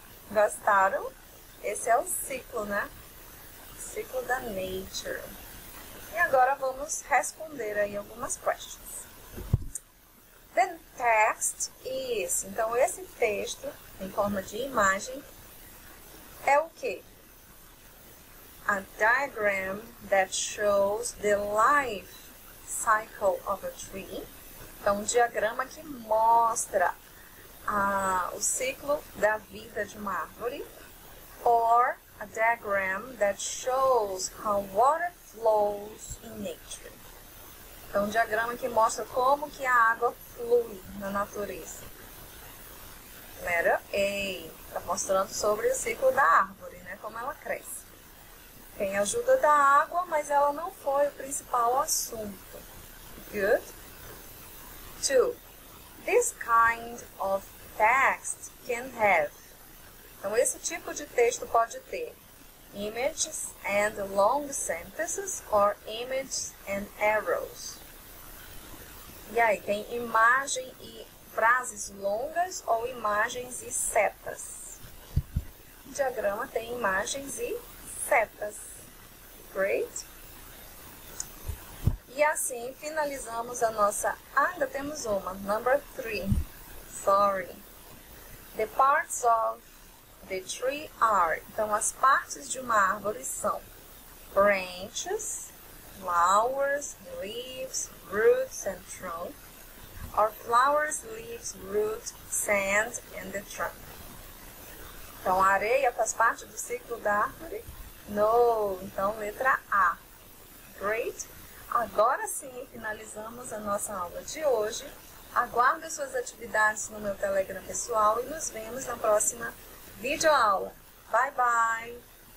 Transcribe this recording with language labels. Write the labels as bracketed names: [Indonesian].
[Portuguese] Gostaram? Esse é o ciclo, né? Ciclo da nature. E agora vamos responder aí algumas questions. [English] The text is... [Portuguese] Então, esse texto, em forma de imagem, é o quê? [English] A diagram that shows the life cycle of a tree. [Portuguese] Então, um diagrama que mostra o ciclo da vida de uma árvore. [English] Or a diagram that shows how water flows in nature. [Portuguese] Então, um diagrama que mostra como que a água flui na natureza. [English] Letter A. [Portuguese] Está mostrando sobre o ciclo da árvore, né? Como ela cresce. Tem ajuda da água, mas ela não foi o principal assunto. [English] Good? 2. This kind of text can have. [Portuguese] Então, esse tipo de texto pode ter [English] images and long sentences or images and arrows. [Portuguese] E aí, tem imagem e frases longas ou imagens e setas. O diagrama tem imagens e setas. Great? E assim, finalizamos a nossa... Ah, ainda temos uma. [English] Number 3. Sorry. The parts of the tree are... [Portuguese] Então, as partes de uma árvore são [English] branches, flowers, leaves, roots, and trunk. Or flowers, leaves, roots, sand, and the trunk. [Portuguese] Então, a areia faz parte do ciclo da árvore? No. Então, letra A. Great. Agora sim, finalizamos a nossa aula de hoje. Aguardo as suas atividades no meu Telegram pessoal e nos vemos na próxima videoaula. Bye, bye!